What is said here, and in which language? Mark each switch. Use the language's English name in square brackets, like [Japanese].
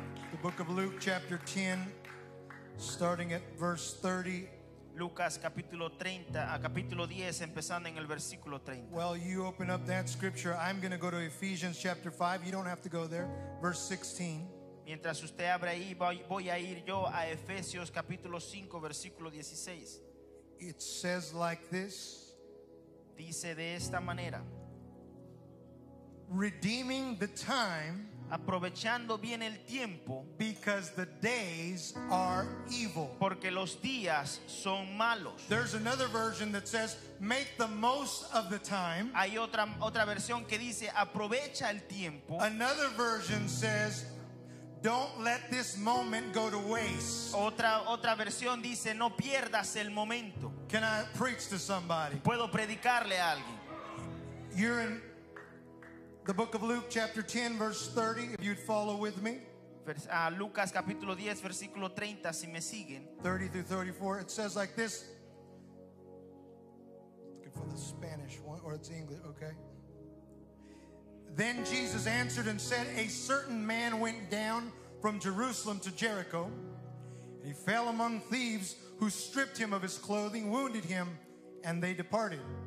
[English] The book of Luke chapter 10, starting at verse 30. [Spanish] Lucas capítulo 30 a capítulo 10 empezando en el versículo 30. [English] Well, you open up that scripture. I'm going to go to Ephesians chapter 5. You don't have to go there. Verse 16. [Spanish] Mientras usted abre ahí, voy a ir yo a Efesios capítulo 5 versículo 16. [English] It says like this. [Spanish] Dice de esta manera. [English] Redeeming the time, [Spanish] aprovechando bien el tiempo, [English] because the days are evil, [Spanish] porque los días son malos. [English] There's another version that says make the most of the time. [Spanish] Hay otra versión que dice aprovecha el tiempo. [English] Another version says don't let this moment go to waste. [Spanish] Otra versión dice no pierdas el momento. [English] Can I preach to somebody? [Spanish] Puedo predicarle a alguien. [English] You're in the book of Luke chapter 10 verse 30, if you'd follow with me. [Spanish] Lucas capítulo 10 versículo 30, si me siguen. [English] 30 through 34, it says like this. Looking for the Spanish one, or it's English, okay. Then Jesus answered and said, a certain man went down from Jerusalem to Jericho, and he fell among thieves who stripped him of his clothing, wounded him, and they departed.